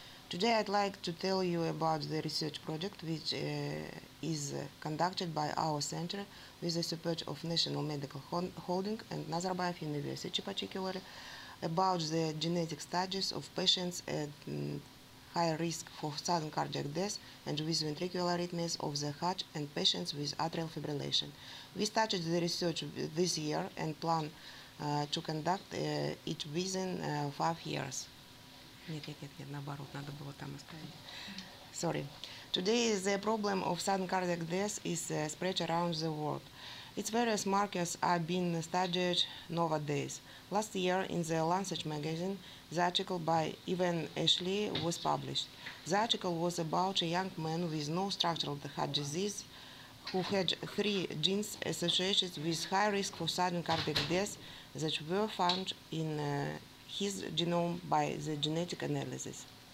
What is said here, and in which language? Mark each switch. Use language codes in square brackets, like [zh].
[en] Today I'd like to tell you about the research project which is conducted by our center with the support of National Medical Holding and Nazarbayev University particularly about the genetic studies of patients at high risk for sudden cardiac death and with ventricular arrhythmias of the heart and patients with atrial fibrillation. We started the research this year and plan to conduct it within 5 years. [ru] Нет, наоборот, надо было там оставить. [en] Sorry. Today the problem of sudden cardiac death is spread around the world. Its various markers are being studied nowadays. Last year, in the Lancet magazine, the article by Ivan Ashley was published. The article was about a young man with no structural heart disease who had three genes associated with high risk for sudden cardiac death that were found in his genome by the genetic analysis.